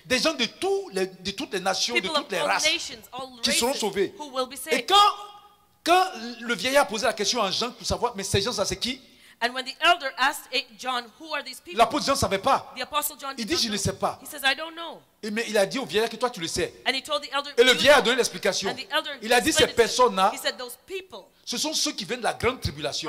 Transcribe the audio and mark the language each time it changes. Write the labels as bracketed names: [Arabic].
[French] Des gens de, tout les, de toutes les nations, [English] people [French] de toutes les races, [English] nations, [French] qui seront sauvés. [English] Who will be saved. [French] Et quand le vieillard a posé la question à Jean pour savoir, mais ces gens, ça c'est qui? [English] And when the elder asked John, who are these people? [French] L'apôtre Jean ne savait pas. [English] The apostle John, [French] il dit, je ne sais pas. [English] He says, I don't know. [French] Et mais il a dit au vieillard que toi tu le sais. [English] And he told the elder, [French] et le vieillard a donné l'explication. [English] And the elder, [French] il a dit, ces personnes-là, [English] he said, those people, [French] ce sont ceux qui viennent de la grande tribulation.